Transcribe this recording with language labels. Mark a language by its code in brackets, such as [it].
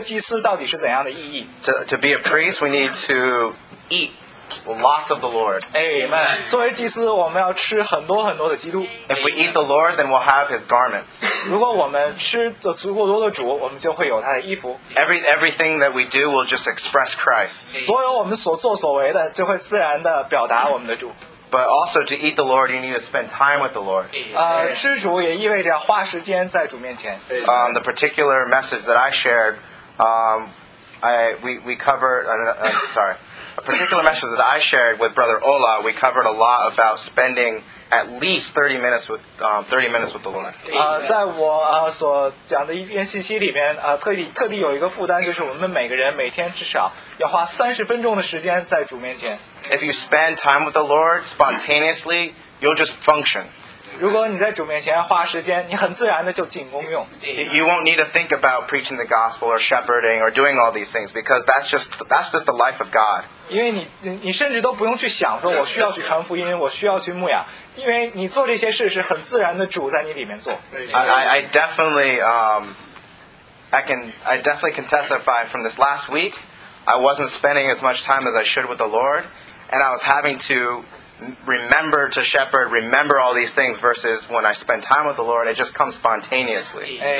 [zh] 这个聚会的负担实在是向大家启示，作为一个祭司到底是怎样的意义。 [en] To be a priest, we need to eat lots of the Lord. Amen. [zh] 作为祭司，我们要吃很多很多的基督。 [en] If we eat the Lord, then we'll have His garments. [zh] 如果我们吃的足够多的主，我们就会有他的衣服。 [en] Everything that we do will just express Christ. [zh] 所有我们所作所为的，就会自然的表达我们的主。 [en] But also to eat the Lord, you need to spend time with the Lord. [zh] 吃主也意味着花时间在主面前。 [en] The particular message that I shared, we covered. Sorry. particular message that I shared with Brother Ola, we covered a lot about spending at least 30 minutes with the Lord. [zh] 在我所讲的一篇信息里面，特地有一个负担，就是我们每个人每天至少要花30分钟的时间在主面前。 [en] If you spend time with the Lord spontaneously, you'll just function. [zh] 如果你在主面前花时间，你很自然的就进功用。 [en] You won't need to think about preaching the gospel or shepherding or doing all these things because that's just the life of God. [zh] 因为你甚至都不用去想说我需要去传福音，我需要去牧养，因为你做这些事是很自然的主在你里面做。I [en] definitely I definitely can testify from this last week. I wasn't spending as much time as I should with the Lord, and I was having to remember to shepherd, remember all these things versus when I spend time with the Lord, it just comes spontaneously.